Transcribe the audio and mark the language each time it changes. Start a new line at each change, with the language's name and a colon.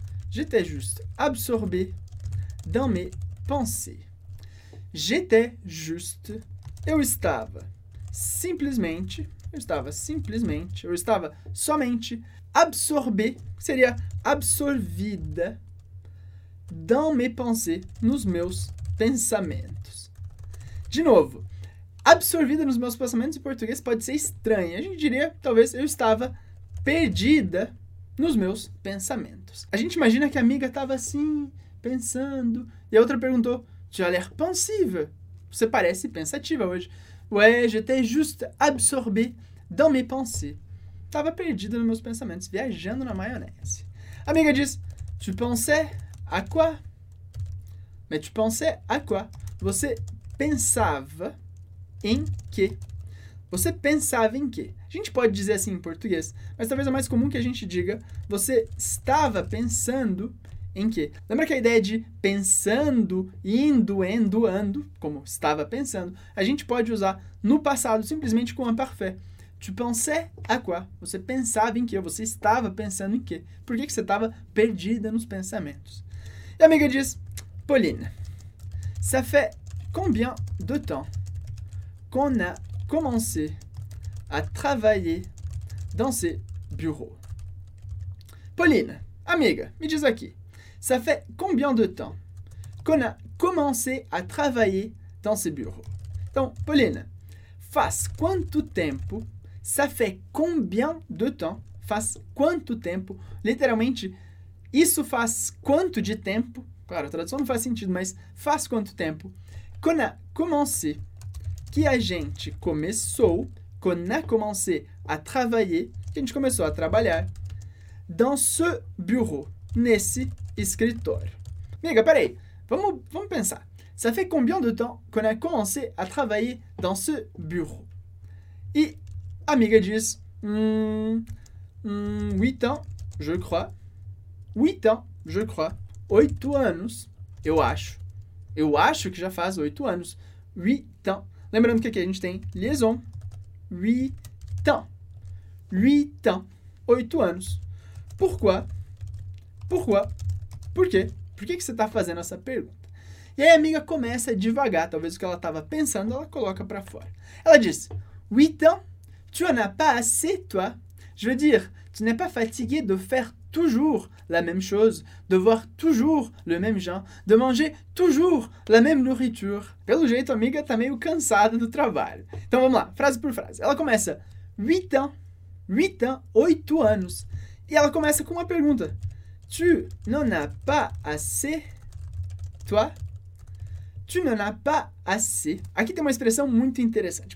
French: J'étais juste absorbé dans mes pensées. J'étais juste,
Portuguese: eu estava simplesmente... Eu estava simplesmente, eu estava somente absorbé, que seria absorvida,
French: dans mes pensées,
Portuguese: nos meus pensamentos. De novo, absorvida nos meus pensamentos em português pode ser estranha. A gente diria, talvez, eu estava perdida nos meus pensamentos. A gente imagina que a amiga estava assim, pensando, e a outra perguntou,
French: tu as l'air pensive?
Portuguese: Você parece pensativa hoje.
French: Ouais, j'étais juste absorbé. Dans mes pensées.
Portuguese: Tava perdido nos meus pensamentos, viajando na maionese. A amiga diz,
French: tu pensais à quoi? Mais tu pensais à quoi?
Portuguese: Você pensava em quê? Você pensava em quê? A gente pode dizer assim em português, mas talvez é mais comum que a gente diga, você estava pensando em quê? Lembra que a ideia de pensando, indo, endo, ando, como estava pensando, a gente pode usar no passado simplesmente com o imparfait.
French: Tu pensais à quoi?
Portuguese: Você pensava em quê? Você estava pensando em quê? Por que você estava perdida nos pensamentos? E a amiga diz,
French: Pauline, ça fait combien de temps qu'on a commencé à travailler dans ces bureaux? Pauline,
Portuguese: amiga, me diz aqui,
French: ça fait combien de temps qu'on a commencé à travailler dans ces bureaux?
Portuguese: Então, Pauline, faz quanto tempo...
French: Ça fait combien de temps?
Portuguese: Faz quanto tempo? Literalmente, isso faz quanto de tempo? Claro, a tradução não faz sentido, mas faz quanto tempo?
French: Qu'on a commencé,
Portuguese: que a gente começou,
French: qu'on a commencé à travailler,
Portuguese: que a gente começou a trabalhar,
French: dans ce bureau,
Portuguese: nesse escritório. Amiga, peraí, vamos pensar.
French: Ça fait combien de temps qu'on a commencé à travailler dans ce bureau?
Portuguese: E... A amiga diz,
French: 8 ans, je crois. 8 ans, je crois.
Portuguese: 8 anos, eu acho. Eu acho que já faz 8 anos.
French: 8 ans.
Portuguese: Lembrando que aqui a gente tem liaison.
French: 8 ans. 8 ans.
Portuguese: 8 anos.
French: Pourquoi? Pourquoi?
Portuguese: Por quê? Por que você está fazendo essa pergunta? E aí a amiga começa devagar, talvez o que ela estava pensando, ela coloca para fora. Ela diz,
French: 8 ans. Tu en as pas assez, toi. Je veux dire, tu n'es pas fatigué de faire toujours la même chose, de voir toujours le même genre, de manger toujours la même nourriture.
Portuguese: Pelo jeito, a amiga tá meio cansada do trabalho. Então vamos lá, frase por frase. Ela começa,
French: 8 ans, 8 ans,
Portuguese: 8 anos. E ela começa com uma pergunta.
French: Tu n'en as pas assez, toi. Tu n'en as pas assez.
Portuguese: Aqui tem uma expressão muito interessante.